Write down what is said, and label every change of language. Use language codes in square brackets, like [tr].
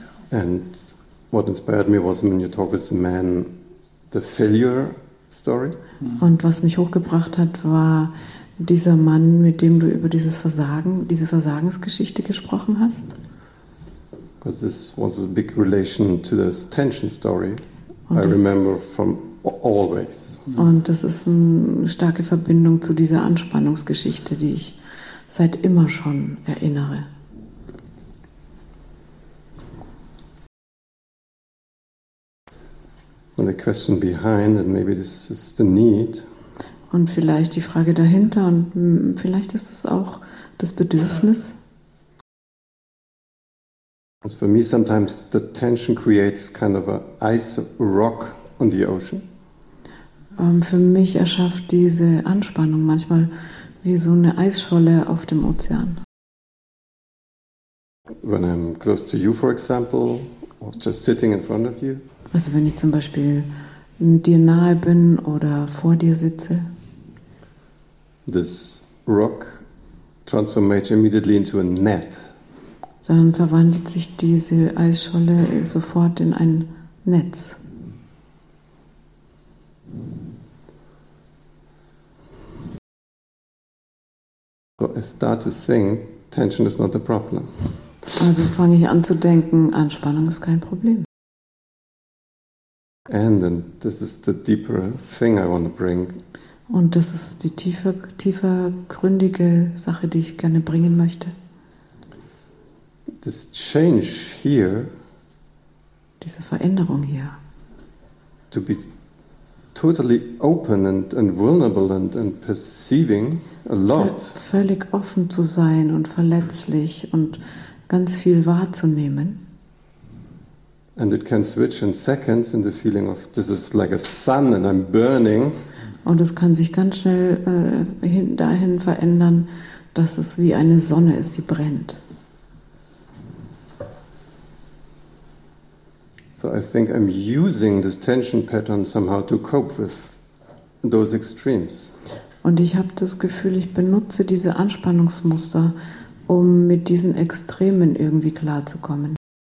[en] And what inspired me was when you talk with the man, the failure story. [de] Und was mich hochgebracht hat, war dieser Mann, mit dem du über dieses Versagen, diese Versagensgeschichte gesprochen hast. [en] Because this was a big relation to this tension story. I remember from always. [de] Und das ist eine starke Verbindung zu dieser Anspannungsgeschichte, die ich seit immer schon erinnere. [en] And the question behind, and maybe this is the need. [de] Und vielleicht die Frage dahinter, und vielleicht ist es auch das Bedürfnis. [en] For me, sometimes the tension creates kind of an ice rock on the ocean. [de] Für mich erschafft diese Anspannung manchmal wie so eine Eisscholle auf dem Ozean. [en] When I'm close to you, for example, or just sitting in front of you. [de] Also wenn ich zum Beispiel dir nahe bin oder vor dir sitze. [en] This rock transformates immediately into a net. [de] Dann verwandelt sich diese Eisscholle sofort in ein Netz. [en] So I start to think tension is not the problem. [de] Also fange ich an zu denken, Anspannung ist kein Problem. [en] And this is the deeper thing I want to bring. [de] Und das ist die tiefer gründige Sache, die ich gerne bringen möchte. [en] This change here. [de] Diese Veränderung hier. [en] To be totally open and vulnerable and perceiving a lot. [de] Völlig offen zu sein und verletzlich und ganz viel wahrzunehmen. [en] And it can switch in seconds in the feeling of this is like a sun and I'm burning. [de] Und es kann sich ganz schnell dahin verändern, dass es wie eine Sonne ist, die brennt. [en] So I think I'm using this tension pattern somehow to cope with those extremes. [de] Und ich habe das Gefühl, ich benutze diese Anspannungsmuster, um mit diesen Extremen irgendwie klarzukommen.